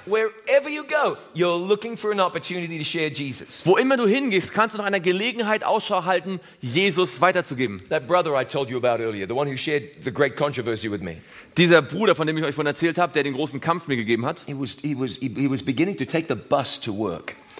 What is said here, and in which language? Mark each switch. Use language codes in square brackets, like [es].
[en] Wherever you go, you're looking for an opportunity to share Jesus. [de] Wo immer du hingehst, kannst du nach einer Gelegenheit Ausschau halten, Jesus weiterzugeben. [en] That brother I told you about earlier, the one who shared the great controversy with me. [de] Dieser Bruder, von dem ich euch vorhin erzählt habe, der den großen Kampf mir gegeben hat. [en] He was beginning to take the bus to work.